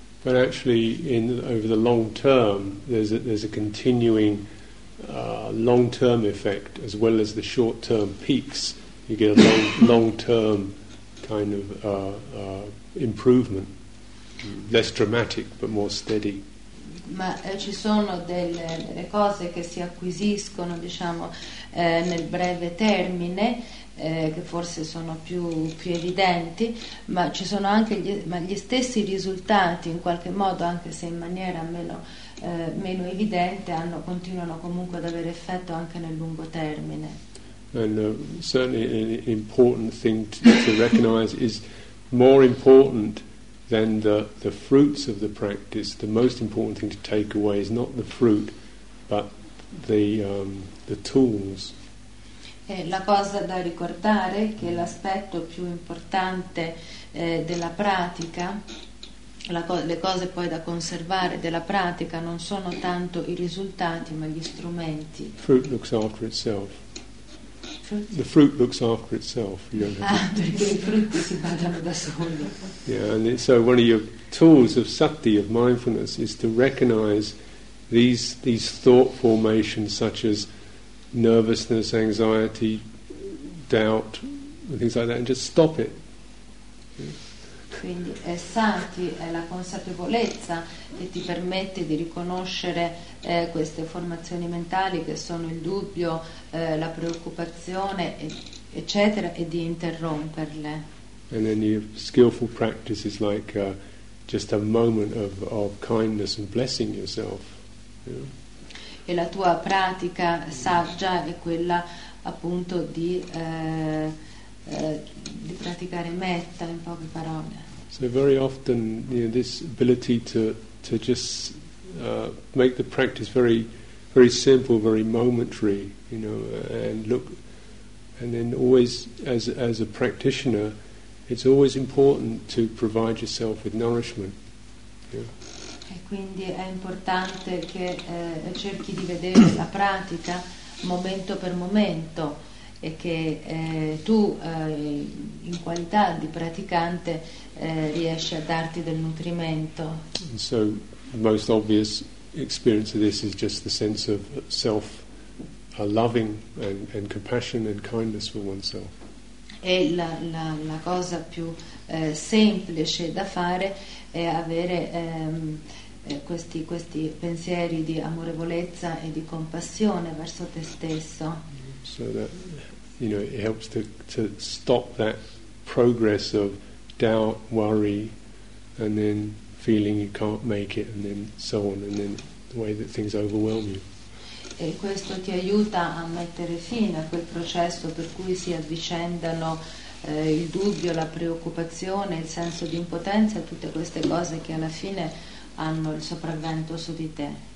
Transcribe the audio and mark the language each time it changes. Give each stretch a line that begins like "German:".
English: But actually in over the long term there's a continuing long term effect as well as the short term peaks, you get a long term kind of improvement, less dramatic but more steady.
Italian: Ma ci sono delle cose che si acquisiscono, diciamo, nel breve termine, che forse sono più evidenti, ma ci sono anche gli stessi risultati, in qualche modo, anche se in maniera meno evidente, continuano comunque ad avere effetto anche nel lungo termine.
English: And certainly an important thing to recognize is more important then the fruits of the practice, the most important thing to take away is not the fruit, but the tools.
Italian: E la cosa da ricordare è che l'aspetto più importante della pratica, le cose poi da conservare della pratica, non sono tanto i risultati, ma gli strumenti.
English: Fruit looks after itself. The fruit looks after itself. You know.
Italian: Ah, perché i frutti si badano da soli.
English: Yeah, and so one of your tools of sati, of mindfulness, is to recognize these thought formations such as nervousness, anxiety, doubt, and things like that, and just stop it.
Italian: Quindi è sati, è la consapevolezza che ti permette di riconoscere queste formazioni mentali che sono il dubbio, la preoccupazione, eccetera, e di interromperle.
English: And then your skillful practice is like just a moment of kindness and blessing yourself.
Italian: E la tua pratica saggia è quella appunto di praticare metta, in poche parole.
English: So very often, you know, this ability to just make the practice very, very simple, very momentary, you know, and look, and then always, as a practitioner, it's always important to provide yourself with nourishment. Yeah.
Italian: E quindi è importante che cerchi di vedere la pratica momento per momento, e che tu in qualità di praticante riesci a darti del nutrimento.
English: And so the most obvious experience of this is just the sense of self loving and compassion and kindness for oneself.
Italian: E la cosa più semplice da fare è avere questi pensieri di amorevolezza e di compassione verso te stesso.
English: So that, you know, it helps to stop that progress of doubt, worry, and then feeling you can't make it, and then so on, and then the way that things overwhelm you.
Italian: E questo ti aiuta a mettere fine a quel processo per cui si avvicendano il dubbio, la preoccupazione, il senso di impotenza, tutte queste cose che alla fine hanno il sopravvento su di te.